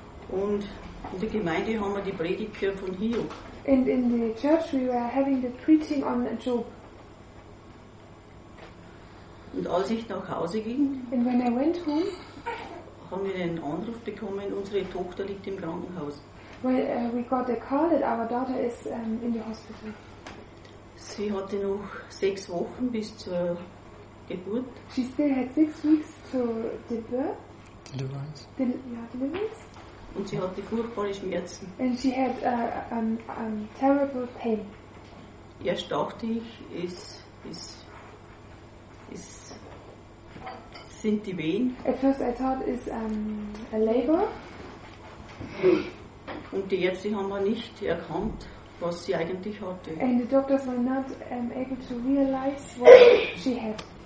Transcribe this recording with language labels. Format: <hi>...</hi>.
<de>Und in der Gemeinde haben wir die Predigt gehört von Hiob.</de> <en>And in the church we were having the preaching on Job.</en> <de>Und als ich nach Hause ging,</de> <en>and when I went home,</en> <de>haben wir einen Anruf bekommen, unsere Tochter liegt im Krankenhaus.</de> <en>Well, we got a call that our daughter is in the hospital.</en> <de>Sie hatte noch 6 Wochen bis zur Geburt.</de> <en>She still had 6 weeks to the birth. Deliverance.</en> <de>Und sie hatte furchtbare Schmerzen.</de> <en>And she had terrible pain.</en> <de>Erst dachte ich, es sind die Wehen.</de> <en>At first I thought it's a labor.</en> <de>Und die Ärzte haben wir nicht erkannt, was sie eigentlich hatte.</de> <en>And the doctors were not able to realize what she had.</en>